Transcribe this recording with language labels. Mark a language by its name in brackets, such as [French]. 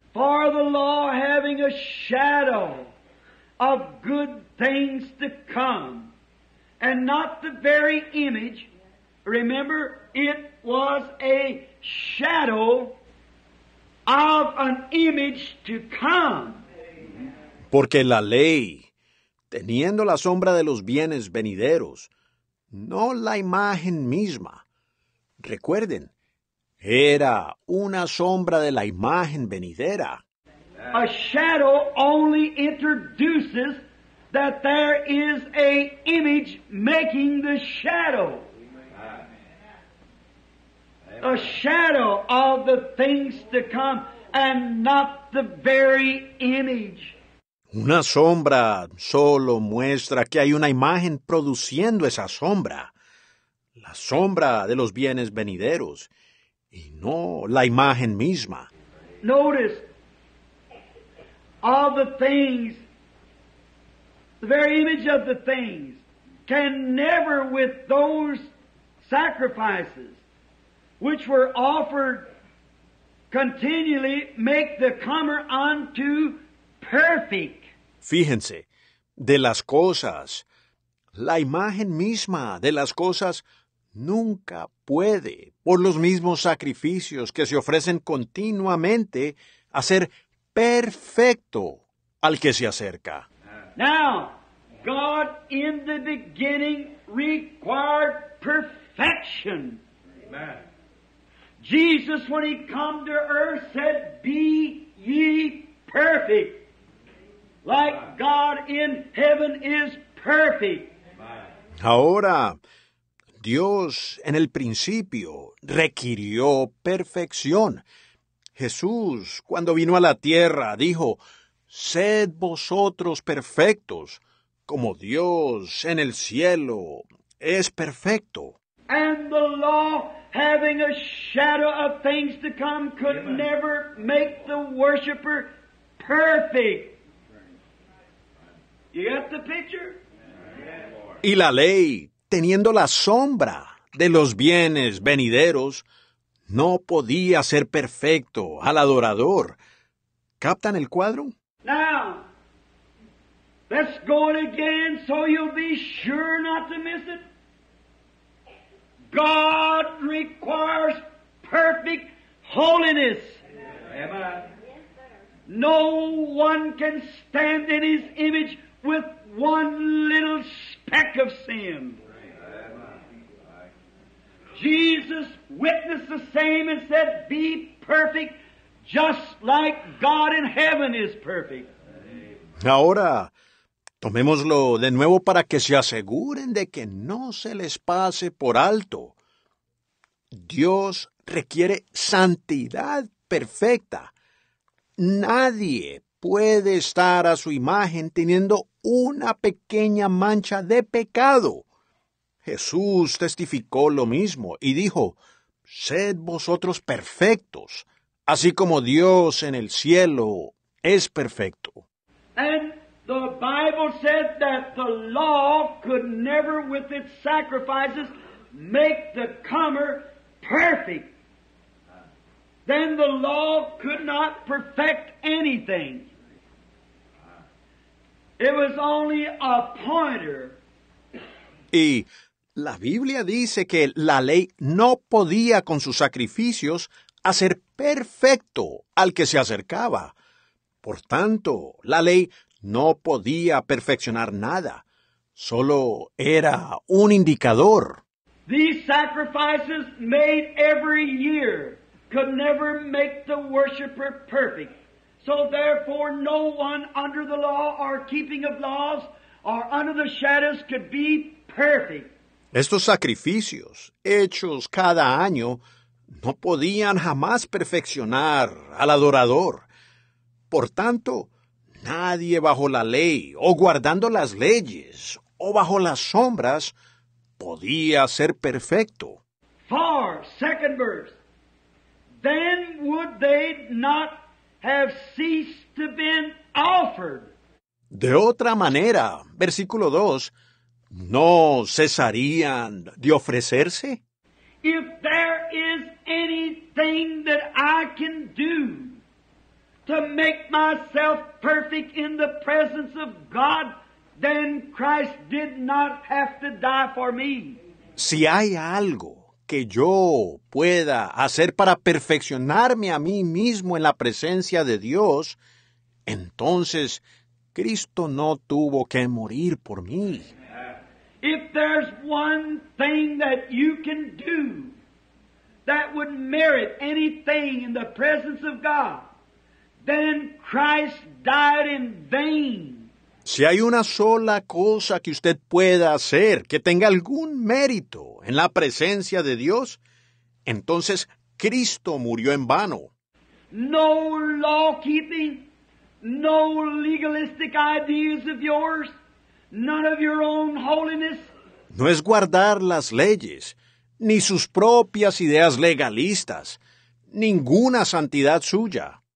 [English] For the law having a shadow of good things to come, and not the very image, remember, it was a shadow of an image to come. [Spanish] Porque la ley, teniendo la sombra de los bienes venideros, no la imagen misma. Recuerden, era una sombra de la imagen venidera. [English] A shadow only introduces that there is a image making the shadow. A shadow of the things to come and not the very image. [Spanish] Una sombra solo muestra que hay una imagen produciendo esa sombra. La sombra de los bienes venideros y no la imagen misma. [English] Notice all the things, the very image of the things can never with those sacrifices which were offered continually make the comer unto perfect. [Spanish] Fíjense, de las cosas, la imagen misma de las cosas nunca puede, por los mismos sacrificios que se ofrecen continuamente, hacer perfecto al que se acerca. [English] Now, God in the beginning required perfection. Amen. Jesus, when he came to earth, said, be ye perfect, like God in heaven is perfect. [Spanish] Ahora, Dios en el principio requirió perfección. Jesús, cuando vino a la tierra, dijo, sed vosotros perfectos, como Dios en el cielo es perfecto. [English] And the law, having a shadow of things to come, could Amen. Never make the worshiper perfect. You got the picture? [Spanish] Y la ley, teniendo la sombra de los bienes venideros, no podía ser perfecto al adorador. ¿Captan el cuadro? [English] Now, let's go it again so you'll be sure not to miss it. God requires perfect holiness. Amen. No one can stand in his image with one little speck of sin. Jesus witnessed the same and said, be perfect just like God in heaven is perfect. [Spanish] Ahora, tomémoslo de nuevo para que se aseguren de que no se les pase por alto. Dios requiere santidad perfecta. Nadie puede estar a su imagen teniendo una pequeña mancha de pecado. Jesús testificó lo mismo y dijo, sed vosotros perfectos, así como Dios en el cielo es perfecto. [English] And the Bible said that the law could never with its sacrifices make the comer perfect. Then the law could not perfect anything. It was only a pointer [Spanish] Y la Biblia dice que la ley no podía con sus sacrificios hacer perfecto al que se acercaba. Por tanto, la ley no podía perfeccionar nada. Solo era un indicador. [English] These sacrifices made every year could never make the worshiper perfect. So therefore, no one under the law or keeping of laws or under the shadows could be perfect. [Spanish] Estos sacrificios, hechos cada año, no podían jamás perfeccionar al adorador. Por tanto, nadie bajo la ley, o guardando las leyes, o bajo las sombras, podía ser perfecto. [English] For, second verse, then would they not have ceased to been offered. [Spanish] De otra manera, versículo 2, ¿no cesarían de ofrecerse? [English] If there is anything that I can do to make myself perfect in the presence of God, then Christ did not have to die for me. [Spanish] Si hay algo que yo pueda hacer para perfeccionarme a mí mismo en la presencia de Dios, entonces Cristo no tuvo que morir por mí. [English] If there's one thing that you can do that would merit anything in the presence of God, then Christ died in vain. [Spanish] Si hay una sola cosa que usted pueda hacer que tenga algún mérito en la presencia de Dios, entonces Cristo murió en vano. [English] No law keeping, no legalistic ideas of yours. None of your own holiness. [Spanish] No es guardar las leyes, ni sus propias ideas legalistas, ninguna santidad suya.